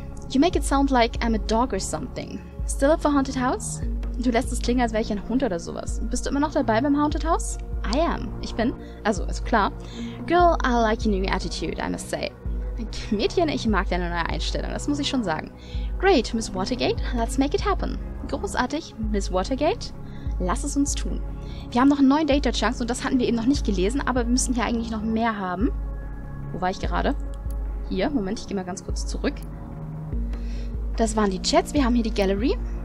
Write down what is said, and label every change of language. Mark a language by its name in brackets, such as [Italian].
[English] You make it sound like I'm a dog or something. Still up for Haunted House? [German] Du lässt es klingen, als wäre ich ein Hund oder sowas. Bist du immer noch dabei beim Haunted House? [English] I am. [German] Ich bin. Also klar. [English] Girl, I like your new attitude, I must say. [German] Mädchen, ich mag deine neue Einstellung, das muss ich schon sagen. [English] Great, Miss Watergate, let's make it happen. [German] Großartig, Miss Watergate, lass es uns tun. Wir haben noch 9 Data-Chunks und das hatten wir eben noch nicht gelesen, aber wir müssen hier eigentlich noch mehr haben. Wo war ich gerade? Hier, Moment, ich gehe mal ganz kurz zurück. Das waren die Chats, wir haben hier die Gallery.